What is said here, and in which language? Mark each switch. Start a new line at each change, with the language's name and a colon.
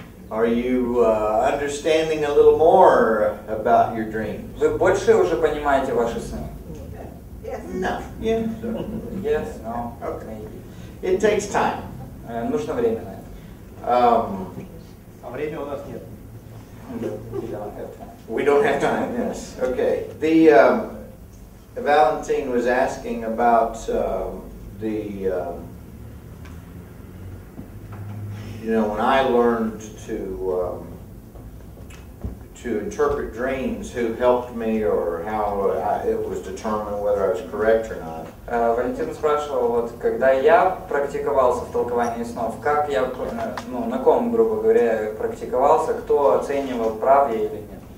English: Are you understanding a little more about your dreams?
Russian: Вы больше уже понимаете ваши сны?
English: Yes. No. Yeah. Sure. Yes. No. Okay. Maybe. It takes time.
Russian: Нужно время на это. А времени у нас нет.
English: We don't have time. We don't have time. Yes. Okay. The Valentine was asking about when I learned to interpret dreams, who helped me or how it was determined whether I was correct or not.
Russian: Валентин спрашивал, вот когда я практиковался в толковании снов, как я, ну, на ком, грубо говоря, практиковался, кто оценивал, прав я или нет.